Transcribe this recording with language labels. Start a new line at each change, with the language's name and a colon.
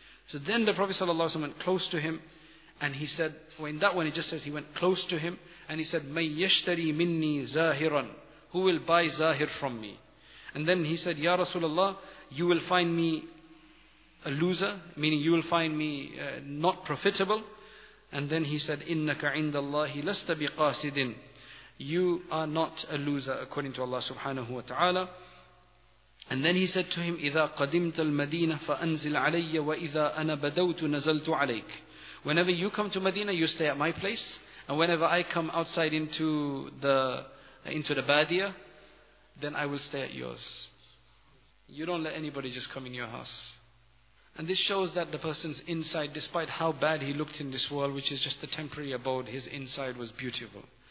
English: So then the Prophet sallallahu alayhi wa sallam went close to him, and he said, well, in that one it just says he went close to him, and he said,
Arabic: مَنْ يَشْتَرِي مِنِّي زَاهِرًا.
English: Who will buy Zahir from me? And then he said, Ya Rasulullah, you will find me a loser, meaning you will find me not profitable. And then he said,
Arabic: إِنَّكَ عِنْدَ اللَّهِ لَسْتَ بِقَاسِدٍ.
English: You are not a loser according to Allah subhanahu wa ta'ala. And then he said to him,
Arabic: إِذَا قَدِمْتَ الْمَدِينَةَ فَأَنْزِلْ عَلَيَّ وَإِذَا أَنَا بَدَوْتُ نَزَلْتُ عَلَيْكَ.
English: Whenever you come to Medina, you stay at my place. And whenever I come outside into the Badia, then I will stay at yours. You don't let anybody just come in your house. And this shows that the person's inside, despite how bad he looked in this world, which is just a temporary abode, his inside was beautiful.